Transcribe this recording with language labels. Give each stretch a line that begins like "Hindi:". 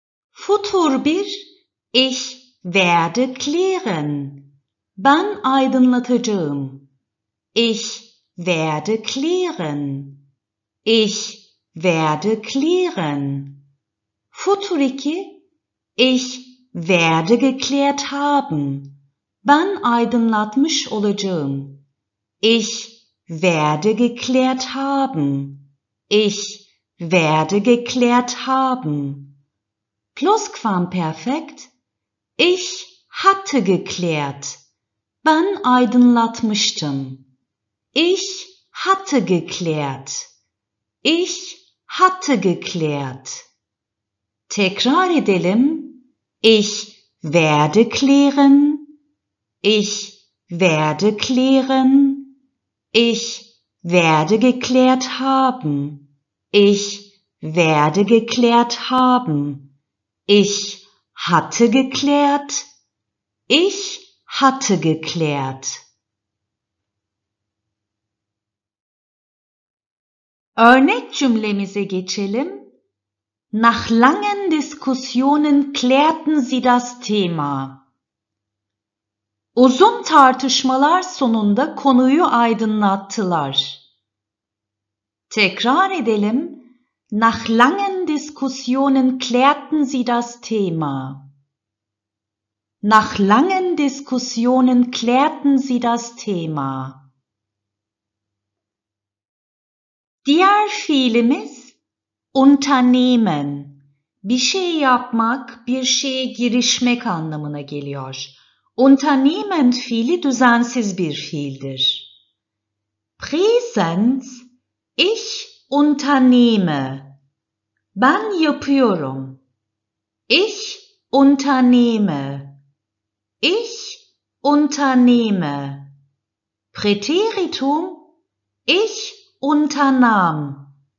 German: Futur 1. Ich werde klären.
Turkish: Ben aydınlatacağım.
German: Ich werde klären. Ich werde klären. Futur 2. Ich werde geklärt haben.
Turkish: Ben aydınlatmış olacağım.
German: Ich werde geklärt haben. Ich werde geklärt haben. Plusquamperfekt. Ich hatte geklärt.
Turkish: Ben aydınlatmıştım.
German: Ich hatte geklärt. Ich hatte geklärt.
Turkish: Tekrar edelim.
German: Ich werde klären. Ich werde klären. Ich werde geklärt haben. Ich werde geklärt haben. Ich hatte geklärt. Ich hatte geklärt.
Turkish: Örnek cümlemize geçelim.
German: Nach langen Diskussionen klärten sie das Thema.
Turkish: Uzun tartışmalar sonunda konuyu aydınlattılar. Tekrar edelim.
German: Nach langen Diskussionen klärten sie das Thema. Nach langen Diskussionen klärten sie das Thema.
Turkish: Diğer fiilimiz unternehmen. Bir şey yapmak, bir şeye girişmek anlamına geliyor. Unternehmen fiili düzensiz bir fiildir.
German: Präsens, ich unternehme.
Turkish: Ben yapıyorum.
German: Ich unternehme. Ich unternehme. Präteritum, ich unternahm.